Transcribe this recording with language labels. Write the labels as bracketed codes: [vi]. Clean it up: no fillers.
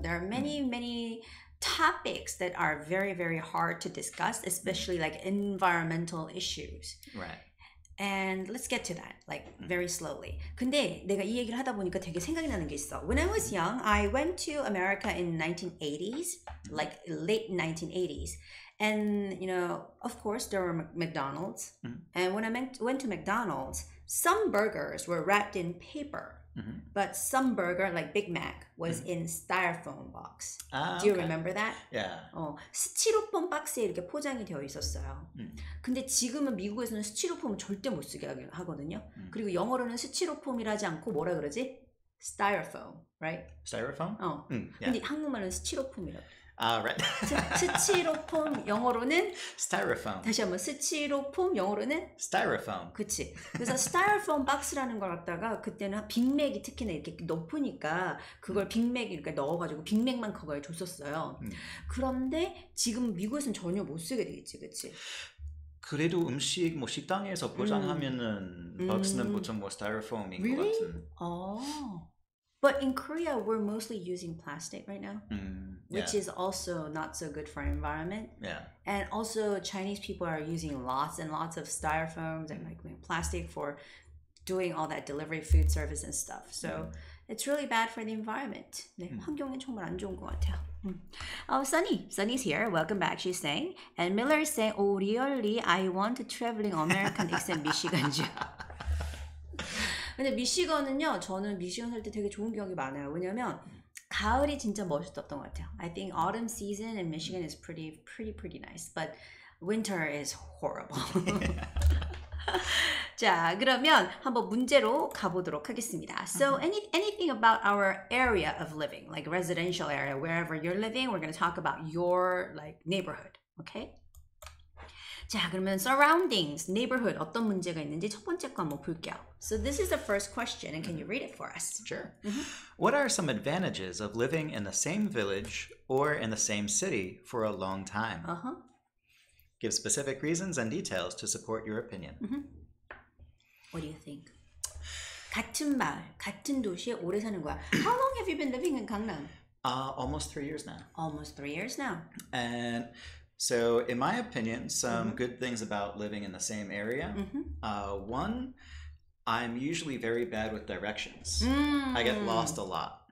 [en] There are many many topics that are very very hard to discuss, especially like environmental issues. Right. And let's get to that, like, very slowly. [ko] 근데 내가 이 얘기를 하다 보니까 되게 생각이 나는 게 있어. [en] When I was young, I went to America in 1980s, like, late 1980s. And, you know, of course, there were McDonald's. Mm-hmm. And when I went to McDonald's, some burgers were wrapped in paper. Mm-hmm. But some burger, like Big Mac, was mm-hmm. in styrofoam box. Do you okay. remember that? Yeah. [ko] 스티로폼 박스에 이렇게 포장이 되어 있었어요. Mm. 근데 지금은 미국에서는 스티로폼을 절대 못 쓰게 하거든요. Mm. 그리고 영어로는 스티로폼이라지 않고 뭐라 그러지? [en] Styrofoam, right? Styrofoam? [ko] 어. Mm. 근데 [en] yeah. [ko] 한국말은 스티로폼이라고. [en] Right. [ko] 스티로폼 영어로는 [en] styrofoam. [ko] 다시 한번 스티로폼 영어로는 [en] styrofoam. [ko] 그치. 그래서 styrofoam 박스라는 걸 갖다가 그때는 빅맥이 특히나 이렇게 높으니까 그걸 빅맥 이렇게 넣어가지고 빅맥만 그걸 줬었어요. 그런데 지금 미국에서는 전혀 못 쓰게 되겠지, 그치? 그래도 음식 뭐 식당에서 포장하면은 박스는 보통 뭐 styrofoam인 [en] really? [ko] 것 같은. [en] Oh. But in Korea, we're mostly using plastic right now, which yeah. is also not so good for environment. Yeah. And also Chinese people are using lots and lots of styrofoam and like plastic for doing all that delivery food service and stuff. So it's really bad for the environment. [ko] 네, 환경에 정말 안 좋은 것 같아요. [en] Oh, Sunny. Sunny's here. Welcome back, she's saying. And Miller is saying, oh, really? I want to travel in American accent, Michigan. [ko] 근데 미시건은요, 저는 미시건 살 때 되게 좋은 기억이 많아요. 왜냐면 가을이 진짜 멋있었던 것 같아요. [en] I think autumn season in Michigan is pretty nice, but winter is horrible. [ko] 자, 그러면 한번 문제로 가보도록 하겠습니다. [en] So anything about our area of living, like residential area, wherever you're living, we're going to talk about your like neighborhood, okay? [ko] 자, 그러면 [en] surroundings, neighborhood, [ko] 어떤 문제가 있는지 첫 번째 거 한번 볼게요. [en] So this is the first question, and can you read it for us? Sure. Mm-hmm. What are some advantages of living in the same village or in the same city for a long time? Uh-huh. Give specific reasons and details to support your opinion. Mm-hmm. What do you think? [ko] 같은 마을, 같은 도시에 오래 사는 거야. [en] How long have you been living in 강남? Almost 3 years now. Almost 3 years now. And... So, in my opinion, some mm-hmm. good things about living in the same area. Mm-hmm. One, I'm usually very bad with directions. Mm-hmm. I get lost a lot.